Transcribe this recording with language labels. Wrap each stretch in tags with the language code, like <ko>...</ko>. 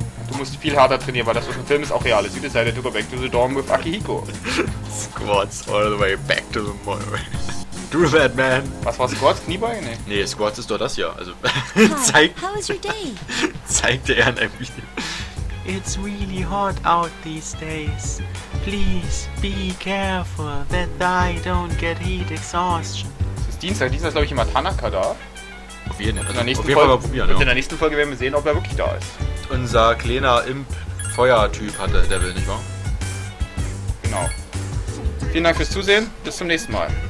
<de>Du musst viel härter trainieren, weil das was im Film ist auch real.</de> <en>You decided to go back to the dorm with Akihiko. Squats all the way back to the monorail. Do that, man.</en> <de>Was war Squats? Kniebeine? Nee, Squats ist doch das hier. Also, zeigt.</de> <en>How is your day?</en> <de>Zeigt er in einem Video.</de> <en>It's really hot out these days. Please be careful that I don't get heat exhaustion.</en> <de>Dienstag ist, glaube ich, immer Tanaka da. Probieren, ja. In der nächsten Folge werden wir sehen, ob er wirklich da ist. Unser kleiner Imp-Feuertyp hatte der Will, nicht wahr? Genau. Vielen Dank fürs Zusehen. Bis zum nächsten Mal.</de>